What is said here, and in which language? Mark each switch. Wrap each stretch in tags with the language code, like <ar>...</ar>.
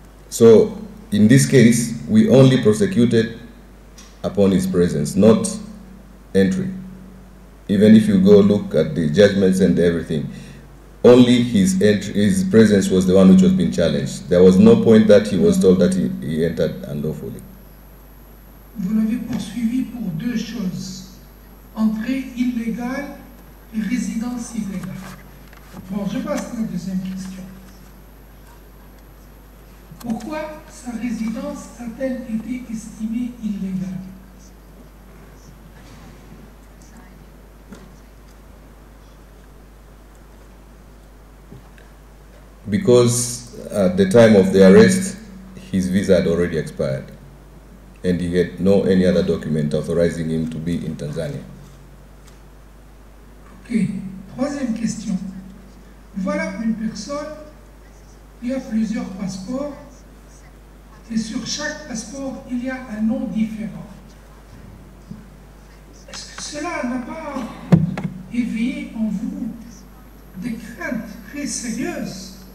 <en>So in this case, we only prosecuted upon his presence, not entry. Even if you go look at the judgments and everything, only his entry, his presence was the one which was being challenged. There was no point that he was told that he entered unlawfully.</en> <fr>Vous l'avez poursuivi pour deux choses, entrée illégale et résidence illégale. Bon, je passe à la deuxième question. Pourquoi sa résidence a-t-elle été estimée illégale?</fr> <en>Because at the time of the arrest, his visa had already expired, and he had no any other document authorizing him to be in Tanzania.</en> <fr>Okay, troisième question. Voilà une personne qui a plusieurs passeports, et sur chaque passeport, il y a un nom différent. Est-ce que cela n'a pas éveillé en vous des craintes très sérieuses?</fr>